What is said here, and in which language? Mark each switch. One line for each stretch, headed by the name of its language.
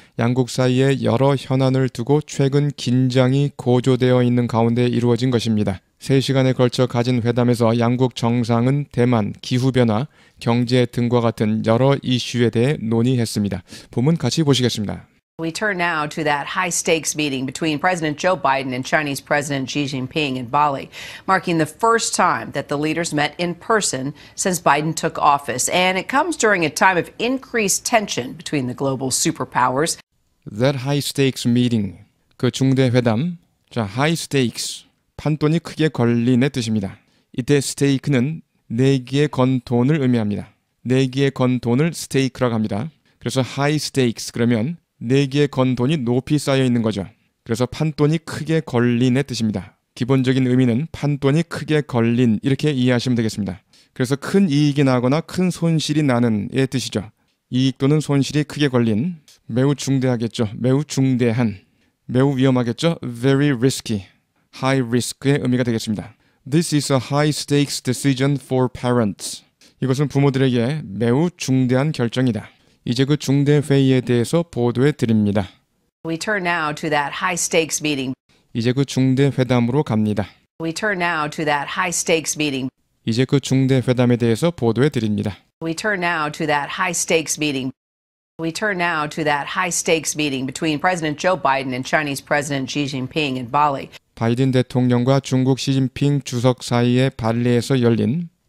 Korean: 양국 사이에 여러 현안을 두고 최근 긴장이 고조되어 있는 가운데 이루어진 것입니다. 3시간에 걸쳐 가진 회담에서 양국 정상은 대만, 기후변화, 경제 등과 같은 여러 이슈에 대해 논의했습니다. 본문 같이 보시겠습니다.
English: We turn now to that high-stakes meeting between President Joe Biden and Chinese President Xi Jinping in Bali, marking the first time that the leaders met in person since Biden took office. And it comes during a time of increased tension between the global superpowers. That high-stakes meeting,
Korean: 그 중대회담, 자, high-stakes, 판돈이 크게 걸린의 뜻입니다. 이때 stake는 내기에 건 돈을 의미합니다. 내기에 건 돈을 stake라고 합니다. 그래서 high-stakes, 그러면 내기에 건 돈이 높이 쌓여 있는 거죠. 그래서 판돈이 크게 걸린의 뜻입니다. 기본적인 의미는 판돈이 크게 걸린 이렇게 이해하시면 되겠습니다. 그래서 큰 이익이 나거나 큰 손실이 나는의 뜻이죠. 이익 또는 손실이 크게 걸린, 매우 중대하겠죠. 매우 중대한, 매우 위험하겠죠.
English: Very risky, high risk의
Korean: 의미가 되겠습니다.
English: This is a high stakes decision for parents.
Korean: 이것은 부모들에게 매우 중대한 결정이다. 이제 그 중대 회의에 대해서 보도해 드립니다.
English: We turn now to that high stakes meeting.
Korean: 이제 그 중대 회담으로 갑니다.
English: We turn now to that high stakes meeting.
Korean: 이제 그 중대 회담에 대해서 보도해 드립니다.
English: We turn now to that high stakes meeting. We turn now to that high stakes meeting between President Joe Biden and Chinese President Xi Jinping in Bali.
Korean: 바이든 대통령과 중국 시진핑 주석 사이에 발리에서 열린